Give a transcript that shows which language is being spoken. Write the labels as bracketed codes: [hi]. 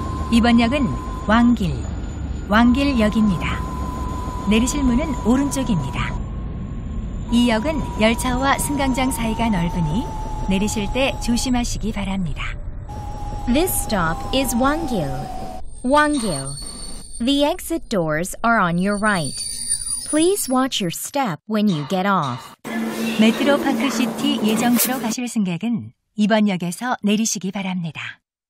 [ko] 이번 역은 왕길, 왕길역입니다. 내리실 문은 오른쪽입니다. 이 역은 열차와 승강장 사이가 넓으니 내리실 때 조심하시기 바랍니다. [en] This stop is Wangil. Wangil. The exit doors are on your right. Please watch your step when you get off. [ko] 메트로 파크시티 예정지로 가실 승객은 이번 역에서 내리시기 바랍니다.